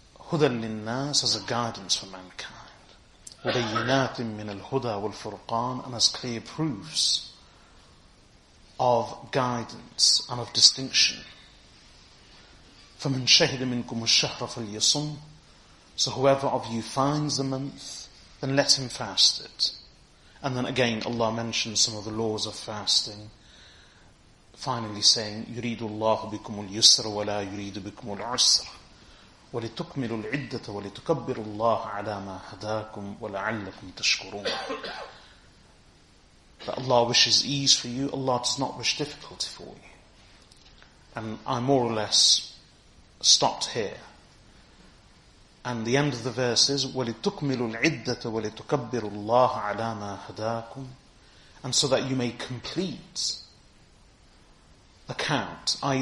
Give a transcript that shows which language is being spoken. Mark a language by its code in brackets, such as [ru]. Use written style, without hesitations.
[ar] هُدًى لِلنَّاسِ, [en] as a guidance for mankind. [ar] وَبَيِّنَاتٍ مِّنَ الْهُدَى وَالْفُرْقَانِ, [en] and as clear proofs of guidance and of distinction. [ar] فَمَنْ شَهِدَ مِنْكُمُ الشَّهْرَ فَلْيَصُمْ, [en] so whoever of you finds the month, then let him fast it. And then again Allah mentions some of the laws of fasting, finally saying, [ar] يُرِيدُ اللَّهُ بِكُمُ الْيُسْرَ وَلَا يُرِيدُ بِكُمُ الْعُسْرَ وَلِتُكْمِلُوا الْعِدَّةَ وَلِتُكَبِّرُوا اللَّهَ عَلَى مَا هَدَاكُمْ وَلَعَلَّكُمْ تَشْكُرُونَ. [en] That Allah wishes ease for you, Allah does not wish difficulty for you. And I more or less stopped here. And the end of the verse is, [ar] وَلِتُكْمِلُوا الْعِدَّةَ وَلِتُكَبِّرُوا اللَّهَ عَلَى مَا هَدَاكُمْ, [en] and so that you may complete the count, i.e.